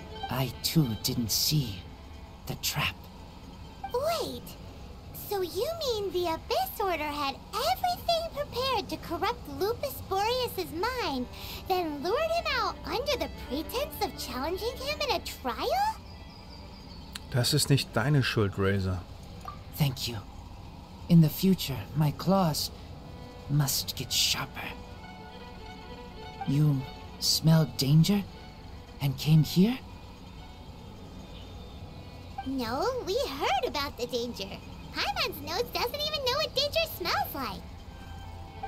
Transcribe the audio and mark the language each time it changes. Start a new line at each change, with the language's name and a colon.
English: I too didn't see the trap. Wait, so you mean the Abyss Order had everything prepared to corrupt Lupus Boreas's mind, then lured him out under the pretense of challenging him in a trial?
German: Das ist nicht deine Schuld, Razor.
English: Thank you. In the future, my claws must get sharper. You smelled danger and came here? No, we heard about the danger. Hyman's nose doesn't even know what danger smells like.